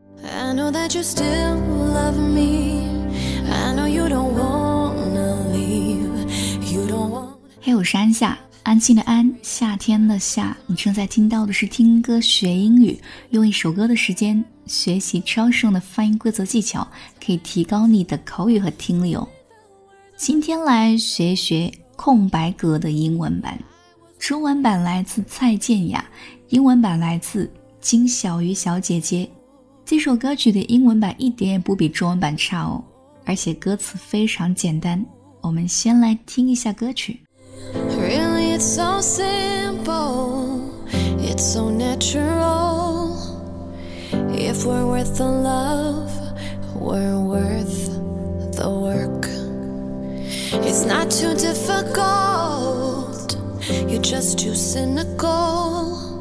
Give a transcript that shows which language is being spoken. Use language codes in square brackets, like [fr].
[en] I know that you still love me. I know you don't wanna leave. You don't want. [zh] Hey, 我是安夏，安静的安，夏天的夏。你正在听到的是听歌学英语，用一首歌的时间学习超实用的发音规则技巧，可以提高你的口语和听力哦。今天来学一学空白格的英文版，中文版来自蔡健雅，英文版来自金小鱼小姐姐。这首歌曲的英文版一点也不比中文版差哦，而且歌词非常简单，我们先来听一下歌曲。 [en] Really, it's so simple, it's so natural. If we're worth the love, we're worth the work. It's not too difficult, you're just too cynical.